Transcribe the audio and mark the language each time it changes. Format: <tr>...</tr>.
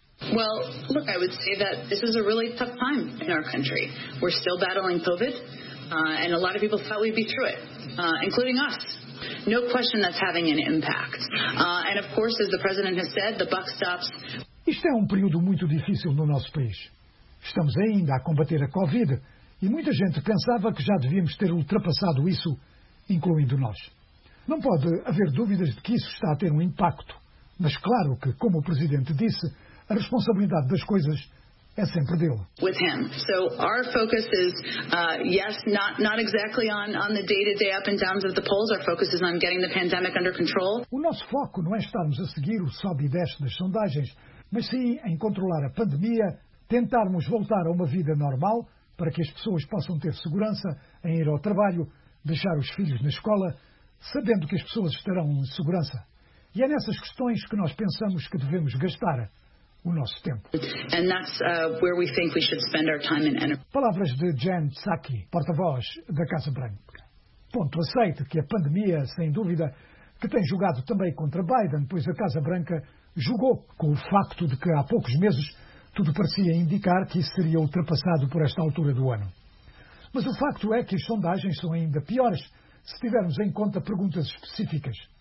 <en>Well, look, I would say that this is a really tough time in our country. We're still battling COVID, and a lot of people thought we'd be through it, including us. No question that's having an impact. And of course, as the president has said, the buck stops.</en> <pt>Isto é um período muito difícil no nosso país. Estamos ainda a combater a COVID e muita gente pensava que já devíamos ter ultrapassado isso, incluindo nós. Não pode haver dúvidas de que isso está a ter um impacto. Mas claro que, como o presidente disse, a responsabilidade das coisas é sempre dele.</pt> <en>With him. So our focus is, yes, not exactly on the day-to-day up and downs of the polls. Our focus is on getting the pandemic under control.</en> <pt>O nosso foco não é estarmos a seguir o sobe e desce das sondagens, mas sim em controlar a pandemia, tentarmos voltar a uma vida normal para que as pessoas possam ter segurança em ir ao trabalho, deixar os filhos na escola, sabendo que as pessoas estarão em segurança. E é nessas questões que nós pensamos que devemos gastar o nosso tempo.</pt> <en>And that's, where we think we should spend our time and energy.</en> <pt>Palavras de Jen Psaki, porta-voz da Casa Branca. Ponto aceito que a pandemia, sem dúvida, que tem jogado também contra Biden, pois a Casa Branca jogou com o facto de que há poucos meses tudo parecia indicar que isso seria ultrapassado por esta altura do ano. Mas o facto é que as sondagens são ainda piores se tivermos em conta perguntas específicas.</pt>